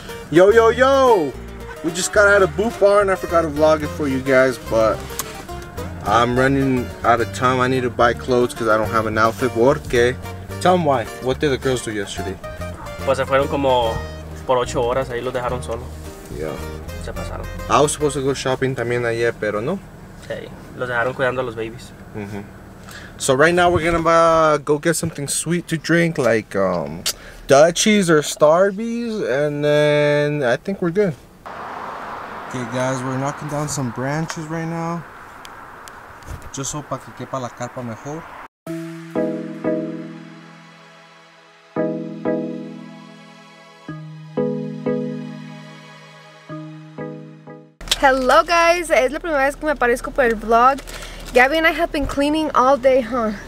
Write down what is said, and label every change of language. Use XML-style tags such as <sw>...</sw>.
<en>Yo, we just got out of Boot Bar and I forgot to vlog it for you guys, but I'm running out of time. I need to buy clothes because I don't have an outfit.</en> <es>¿Por qué?</es> <en>Tell them why. What did the girls do yesterday?</en> <es>Pues se fueron como por 8 horas, ahí los dejaron solo.</es> <en>Yeah.</en> <es>Se pasaron.</es> <en>I was supposed to go shopping</en> <es>también ayer, pero no. Sí, los dejaron cuidando a los</es> <en>babies. So right now we're going to go get something sweet to drink, like Dutchies or Starbies, and then I think we're good. Okay guys, we're knocking down some branches right now. Just so</en> <es>pa que quepa la carpa mejor.</es> <en>Hello guys,</en> <es>es la primera vez que me aparezco por el vlog.</es> <en>Gabby and I have been cleaning all day, huh?</en>